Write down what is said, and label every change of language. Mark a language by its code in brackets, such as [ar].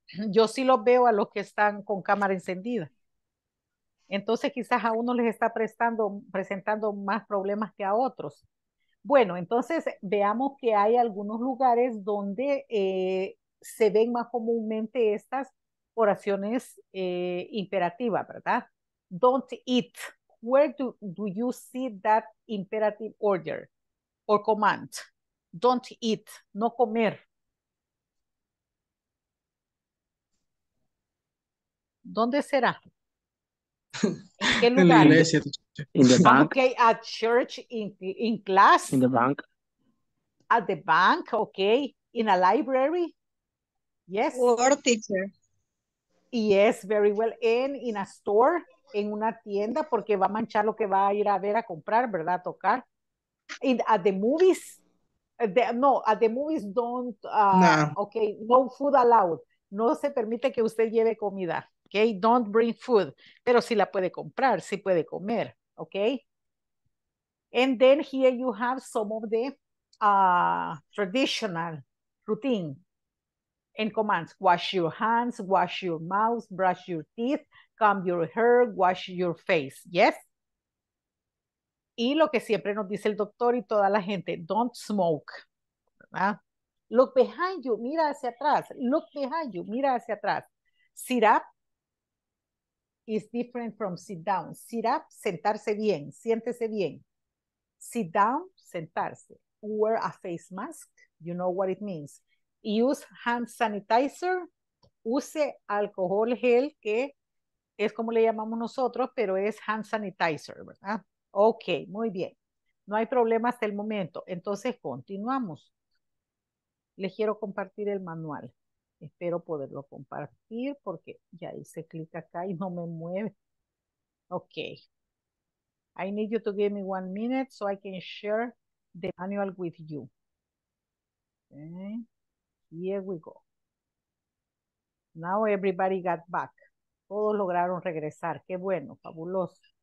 [es] Yo sí los veo a los que están con cámara encendida. Entonces quizás a uno les está presentando más problemas que a otros. Bueno, entonces veamos que hay algunos lugares donde se ven más comúnmente estas oraciones imperativas, ¿verdad? [en] Don't eat. Where do you see that imperative order or command? Don't eat. [es] No comer. ¿Dónde será? ¿En qué lugar? En la iglesia. [en] In the bank. Okay, at church, in class. In the bank. At the bank, okay. In a library. Yes. Or teacher. Yes, very well. In a store, [es] en una tienda, porque va a manchar lo que va a ir a ver, a comprar, ¿verdad? A tocar. [en] At the movies. At the movies, don't. Nah. [es] Okay, [en] no food allowed. [es] No se permite que usted lleve comida. [en] Okay, don't bring food. [es] Pero sí la puede comprar, sí puede comer. [en] Okay. And then here you have some of the traditional routine and commands. Wash your hands, wash your mouth, brush your teeth, comb your hair, wash your face. [es] Yes. Y lo que siempre nos dice el doctor y toda la gente, [en] don't smoke. [es] ¿Verdad? [en] Look behind you, [es] mira hacia atrás. [en] Look behind you, mira hacia atrás. Sit up. Is different from sit down. Sit up, [es] sentarse bien, siéntese bien. [en] Sit down, [es] sentarse. [en] Wear a face mask, you know what it means. Use hand sanitizer, use alcohol gel, [es] que es como le llamamos nosotros, pero es hand sanitizer, ¿verdad? Ok, muy bien. No hay problema hasta el momento. Entonces, continuamos. Les quiero compartir el manual. Espero poderlo compartir porque ya hice clic acá y no me mueve. [en] Ok. I need you to give me 1 minute so I can share the manual with you. Okay. Here we go. Now everybody got back. [es] Todos lograron regresar. Qué bueno, fabuloso.